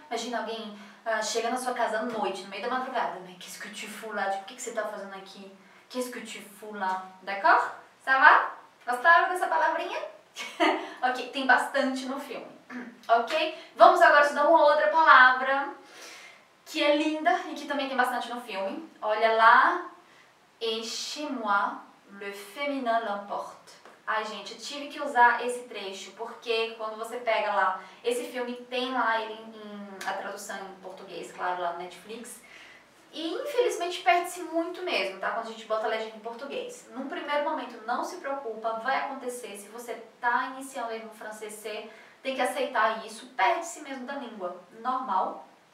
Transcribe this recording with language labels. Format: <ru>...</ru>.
<pt>Imagina alguém chega na sua casa à noite, no meio da madrugada,</pt> <fr>mais qu'est-ce que tu fous là?</fr> <pt>Tipo, o que você tá fazendo aqui?</pt> <fr>Qu'est-ce que tu fous là? D'accord? Ça va?</fr> <pt>Gostaram dessa palavrinha? Ok, tem bastante no filme. Ok? Vamos agora estudar uma outra palavra que é linda e que também tem bastante no filme. Olha lá.</pt> <fr>Et chez moi, le féminin l'emporte.</fr> <pt>Ai, gente, eu tive que usar esse trecho porque quando você pega lá, esse filme tem lá ele a tradução em português, claro, lá no Netflix. E infelizmente perde-se muito mesmo, tá? Quando a gente bota a legenda em português. Num primeiro momento, não se preocupa, vai acontecer. Se você tá iniciando aí no francês, tem que aceitar isso, perde-se mesmo da língua, normal.</pt>